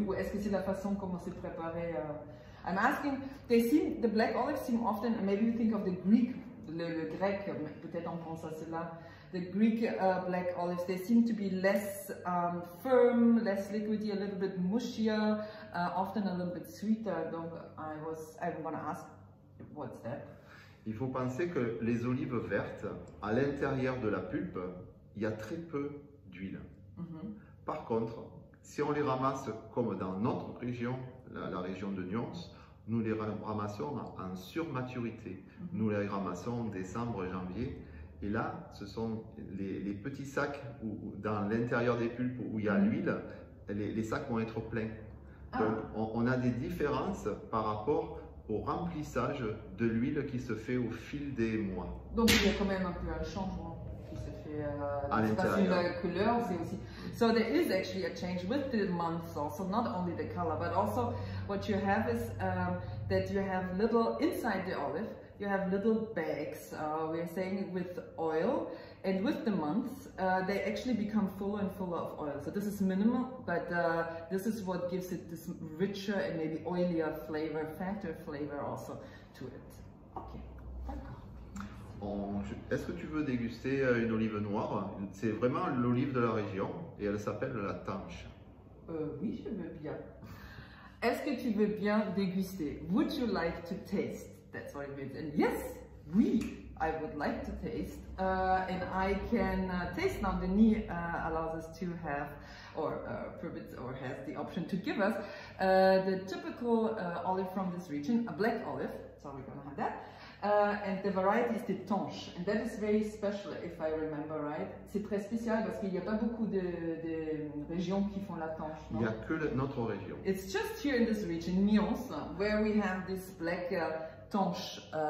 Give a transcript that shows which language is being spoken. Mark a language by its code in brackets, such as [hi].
[fr] Ou est-ce que c'est la façon comment c'est préparé? [en] I'm asking. They seem the black olives seem often. Maybe you think of the Greek, [fr] le grec. Peut-être on pense à cela. [en] The Greek black olives, they seem to be less firm, less liquidy, a little bit mushier, often a little bit sweeter. Donc, I'm going to ask, what's that? [fr] Il faut penser que les olives vertes, à l'intérieur de la pulpe, il y a très peu d'huile. Mm-hmm. Par contre, si on les ramasse comme dans notre région, la région de Nyons, nous les ramassons en surmaturité. Mm-hmm. Nous les ramassons en décembre, janvier. Et là, ce sont les petits sacs où, dans l'intérieur des pulpes où il y a l'huile, les sacs vont être pleins. Donc, on a des différences par rapport au remplissage de l'huile qui se fait au fil des mois. Donc, il y a quand même un peu un changement qui se fait à l'intérieur. C'est pas une couleur, c'est aussi. [en] So there is actually a change with the months also, not only the color, but also what you have is that you have little inside the olive. You have little bags, we are saying, with oil, and with the months, they actually become fuller and fuller of oil. So this is minimal, but this is what gives it this richer and maybe oilier flavor, fatter flavor also to it. Okay, [fr] d'accord. Est-ce que tu veux déguster une olive noire? C'est vraiment l'olive de la région, et elle s'appelle la tanche. Oui, je veux bien. Est-ce que tu veux bien déguster? [en] Would you like to taste? That's what it means. And yes, oui, I would like to taste. And I can taste now. Denis allows us to have, or permits, or has the option to give us the typical olive from this region, a black olive. So we're going to have that. And the variety is the tanche. And that is very special, if I remember right. [fr] C'est très spécial parce qu'il n'y a pas beaucoup de régions qui font la tanche. Il n'y a que notre région. [en] It's just here in this region, Nyons, where we have this black tanche.